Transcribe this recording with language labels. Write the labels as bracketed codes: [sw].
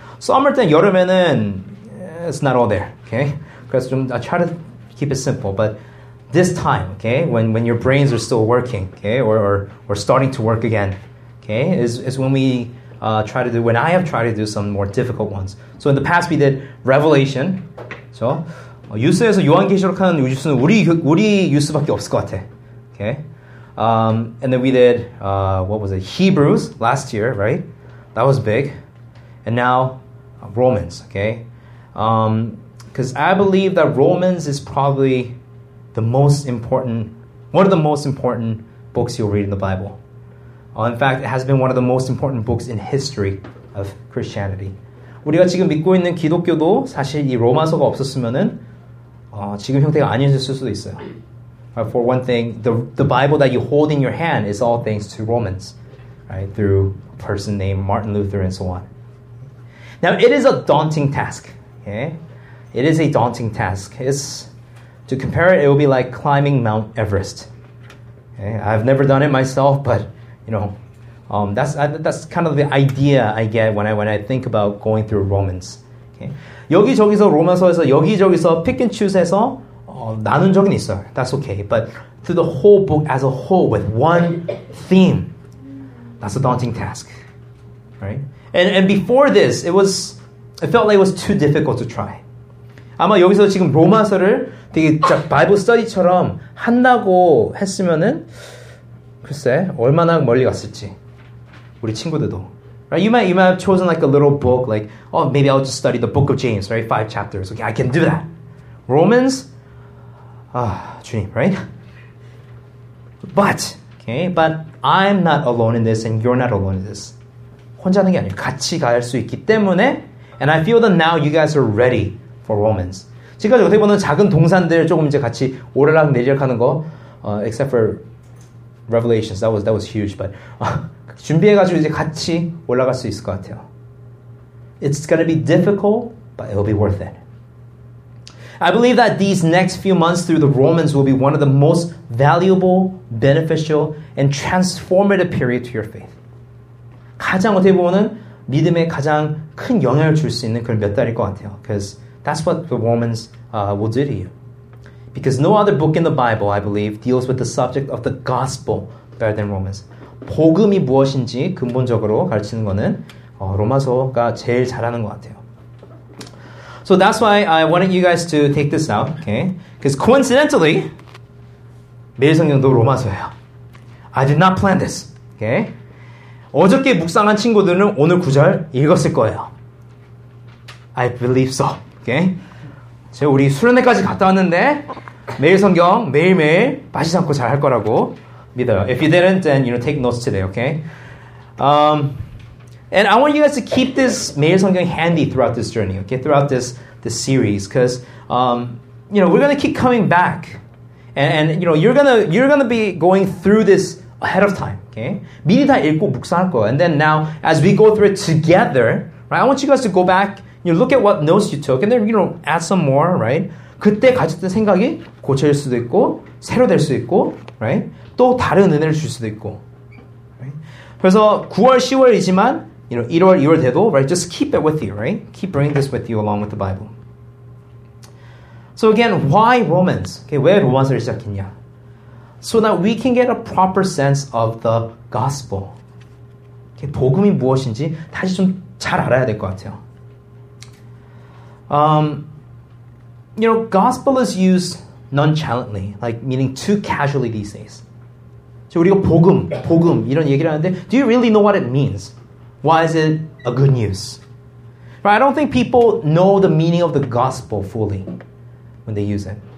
[en] summer [ko] 때 여름에는 [en] it's not all there. Okay, [ko] 그래서 좀 [en] I try to keep it simple, but this time, okay, when your brains are still working, okay, or starting to work again, okay, is when we try to do, when I have tried to do some more difficult ones. So in the past, we did Revelation. [ko] So, 유스에서 요한계시록 하는 유스는 우리 유스밖에 없을 것 같아. [en] Okay, and then we did, what was it, Hebrews last year, right? That was big. And now, Romans, okay? Because I believe that Romans is probably the most important, one of the most important books you'll read in the Bible. In fact, it has been one of the most important books in history of Christianity. [ko] 우리가 지금 믿고 있는 기독교도 사실 이 로마서가 없었으면은 지금 형태가 아니었을 수도 있어요. [en] For one thing, the Bible that you hold in your hand is all thanks to Romans, right? Through a person named Martin Luther and so on. Now, it is a daunting task, okay? It is a daunting task. To compare it, it will be like climbing Mount Everest. Okay? I've never done it myself, but you know, that's kind of the idea I get when I think about going through Romans. [ko] Okay? 여기저기서 로마서에서 여기저기서 [en] pick and choose [ko] 해서 나눈 적은 있어. [en] That's okay, but through the whole book as a whole with one theme, that's a daunting task, right? And before this, it felt like it was too difficult to try. [ko] 아마 여기서 지금 로마서를 되게 딱 바이블 스터디처럼 한다고 했으면은 글쎄 얼마나 멀리 갔을지 우리 친구들도 right? [en] You might have chosen like a little book like oh maybe I'll just study the book of James right 5 chapters okay I can do that Romans [ko] 아 주님 [en] right but okay but I'm not alone in this and you're not alone in this [ko] 혼자는 게 아니에요 같이 갈 수 있기 때문에 [en] and I feel that now you guys are ready for Romans [ko] 지금까지 어떻게 보면 작은 동산들 조금 이제 같이 오르락 내리락 하는 거 [en] except for Revelations, that was huge, but [ko] 준비해가지고 이제 같이 올라갈 수 있을 것 같아요. [en] It's gonna be difficult, but it'll be worth it. I believe that these next few months through the Romans will be one of the most valuable, beneficial, and transformative period to your faith. [ko] 가장 어떻게 보면 믿음에 가장 큰 영향을 줄 수 있는 그런 몇 달일 것 같아요. [en] Because that's what the Romans will do to you. Because no other book in the Bible, I believe, deals with the subject of the gospel better than Romans. [ko] 복음이 무엇인지 근본적으로 가르치는 거는 로마서가 제일 잘하는 것 같아요. [en] So that's why I wanted you guys to take this out, okay? Because coincidentally, [ko] 매일 성경도 로마서예요. [en] I did not plan this, okay? [ko] 어저께 묵상한 친구들은 오늘 구절 읽었을 거예요. [en] I believe so. Okay. [ko] 제가 우리 수련회까지 갔다 왔는데 매일 성경 매일매일 빠지지 않고 잘 할 거라고 믿어요. [en] If you didn't, then you know, take notes today, okay? And I want you guys to keep this 매일 성경 handy throughout this journey, okay? Throughout this series, because you know we're gonna keep coming back, and you know you're gonna be going through this ahead of time, okay? [ko] 미리 다 읽고 묵상할 거. [en] And then now as we go through it together, right? I want you guys to go back. You look at what notes you took, and then you know, add some more, right? [ko] 그때 가졌던 생각이 고쳐질 수도 있고, 새로 될 수 있고, right? 또 다른 은혜를 줄 수도 있고. Right? 그래서 9월, 10월이지만, you know, 1월, 2월 돼도, right? [en] Just keep it with you, right? Keep bringing this with you along with the Bible. So again, why Romans? Okay, [ko] 왜 로마서를 시작했냐? [en] So that we can get a proper sense of the gospel. [ko] Okay, 복음이 무엇인지 다시 좀 잘 알아야 될 것 같아요. [en] You know, gospel is used nonchalantly, like meaning too casually these days. So [ko] 우리가 복음 이런 얘기를 하는데, [en] do you really know what it means? Why is it a good news? Right, I don't think people know the meaning of the gospel fully when they use it.